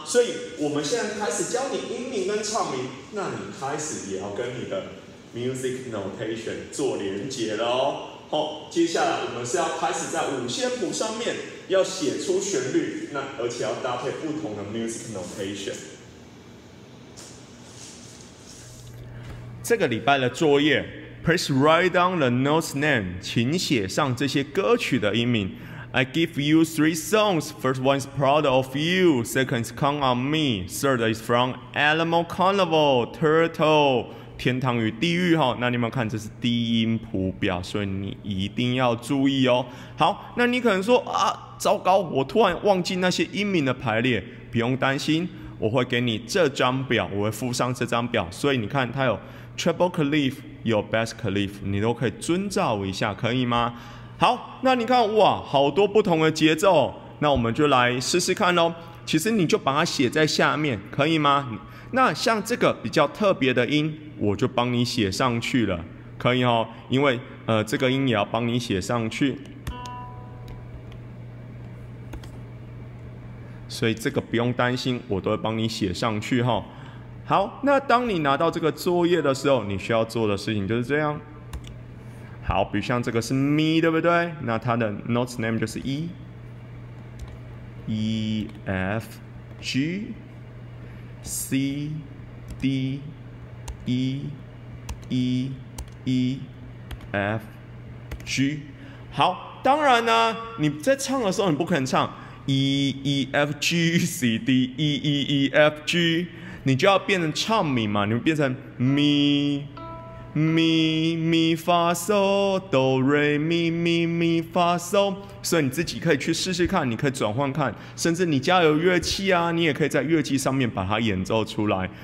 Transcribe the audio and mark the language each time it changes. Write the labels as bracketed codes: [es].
[zh] 所以我们现在开始教你音名跟唱名，那你开始也要跟你的 music notation 做连结了哦。好，接下来我们是要开始在五线谱上面要写出旋律，那而且要搭配不同的 music notation。这个礼拜的作业。 [en] Please write down the notes name. [zh] 请写上这些歌曲的音名。 [en] I give you three songs. First one is Proud of You. Second is Count on Me. Third is from Animal Carnival. [zh] Turtle. 天堂与地狱哈。那你们看，这是低音谱表，所以你一定要注意哦。好，那你可能说啊，糟糕，我突然忘记那些音名的排列。不用担心，我会给你这张表，我会附上这张表。所以你看，它有 Treble Clef。有 Bass Clef， 你都可以遵照一下，可以吗？好，那你看，哇，好多不同的节奏，那我们就来试试看喽。其实你就把它写在下面，可以吗？那像这个比较特别的音，我就帮你写上去了，可以哦。因为这个音也要帮你写上去，所以这个不用担心，我都会帮你写上去哈。好，那当你拿到这个作业的时候，你需要做的事情就是这样。好，比如像这个是 Mi， 对不对？那它的 notes name 就是 E、E、F、G、C、D、E、E、E、F、G。好，当然呢、啊，你在唱的时候你不可能唱 E、E、F、G、C、D、E、E、E、F、G。你就要变成唱名嘛，你们变成咪咪咪发嗦哆瑞咪咪咪发嗦，所以你自己可以去试试看，你可以转换看，甚至你家有乐器啊，你也可以在乐器上面把它演奏出来。